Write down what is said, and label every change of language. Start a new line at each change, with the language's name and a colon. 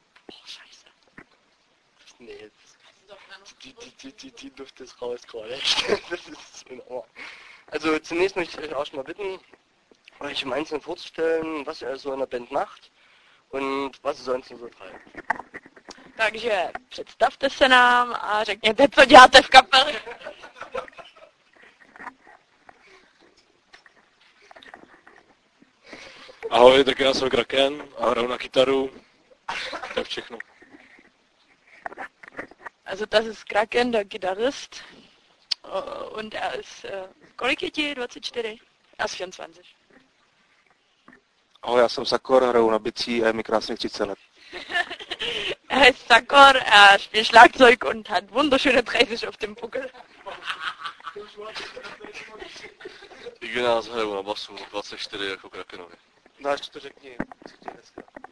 German: Oh, scheiße. Das, nee, das, doch die Luft ist raus gerade. Das ist in Ordnung. Also zunächst möchte ich euch auch schon mal bitten, euch im Einzelnen vorzustellen, was ihr so in der Band macht und was ihr sonst so treibt.
Czech: Takže představte se nám a řekněte, co děláte v kapele. Ahoj, tak já jsem Kraken a hraju na kytaru. Tak všechno.
German: Also das ist Kraken, der Gitarrist. Und er ist,
Czech: kolik je ti? 24? Já jsem 24. Ahoj, já jsem Sakor, hraju na bicí a je mi krásných 30 let.
German: Er ist Sakor, er spielt Schlagzeug und hat wunderschöne 30 auf dem Buckel. Ich bin aus Helm, aber so 24
Czech: jako Krakenovi. No, ještě to řekni, co ti je dneska.